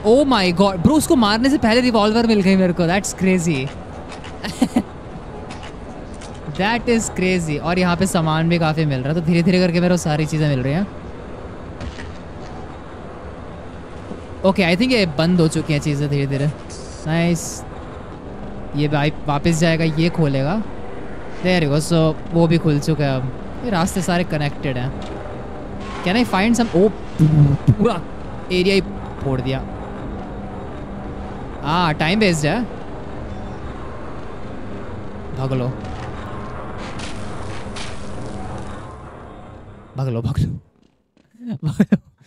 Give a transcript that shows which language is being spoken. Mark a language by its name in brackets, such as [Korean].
[English] oh my god bro, [Hindi] उसको मारने से पहले रिवॉल्वर मिल गई मेरे को. [English] That's crazy, that is crazy. [Hindi] और यहाँ पे सामान भी काफी मिल रहा, तो धीरे धीरे करके मेरे को सारी चीजें मिल रही हैं. [English] okay I think [Hindi] ये बंद हो चुकी हैं चीजें धीरे धीरे. नाइस, ये भाई वापस जाएगा, ये खोलेगा. [English] there you go, so [Hindi] वो भी खुल चुका है. अब ये रास्ते सारे कनेक्टेड हैं. [English] can I find some, [Hindi] ओ पूरा एरिया ही फोड़ दिया. हाँ टाइम वेस्ट है, भगलो भगलो भगलो भगलो.